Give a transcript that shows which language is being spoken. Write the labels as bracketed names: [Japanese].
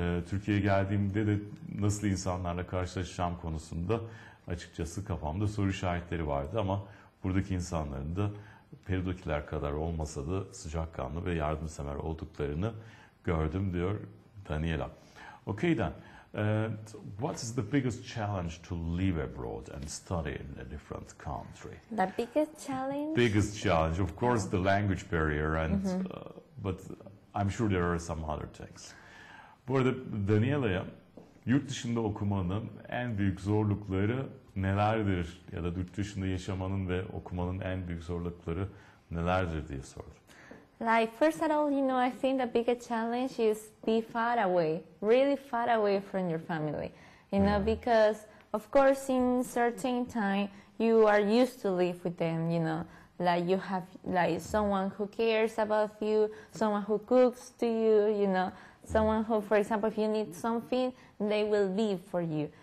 [Turkish] Türkiye'ye geldiğimde de nasıl insanlarla karşılaşacağım konusunda açıkçası kafamda soru işaretleri vardı ama buradaki insanların da Peru'dakiler kadar olmasa da sıcakkanlı ve yardımsever olduklarını gördüm diyor Daniela. [English] Okay then, what is the biggest challenge to live abroad and study in a different country? The biggest challenge? Biggest challenge, of course, the language barrier, and but I'm sure there are some other things. [Turkish] Bu arada Daniela'ya, yurt dışında okumanın en büyük zorlukları nelerdir? Ya da yurt dışında yaşamanın ve okumanın en büyük zorlukları nelerdir diye sordu. [English] Like, first of all, you know, I think the biggest challenge is be far away, really far away from your family, you know, because, of course, in certain time, you are used to live with them, you know, like you have like someone who cares about you, someone who cooks to you, you know, someone who, for example, if you need something, they will be for you.